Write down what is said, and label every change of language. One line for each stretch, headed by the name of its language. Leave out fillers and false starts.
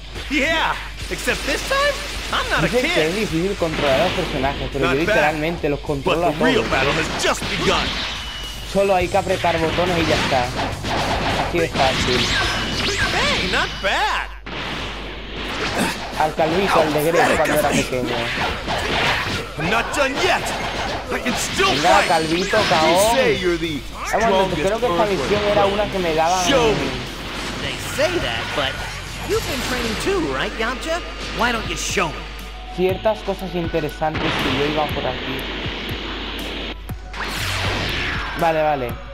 English: Yeah, except this time, I'm not a kid.
Spanish: Dice que es difícil controlar a los personajes, pero literalmente los controla todos.
English: But the real battle has just begun.
Spanish: Solo hay que apretar botones y ya está. Así de fácil.
English: Hey, not bad.
Spanish: Al Calvito, al de Greg, cuando era pequeño.
English: Not done yet.
Spanish: Venga, Calvito, caón. Vamos, creo que esta misión era una que me daban.
English: They say that, but you've been training too, right, Yamcha? Why don't you show me?
Spanish: Ciertas cosas interesantes que yo iba por aquí. Vale, vale.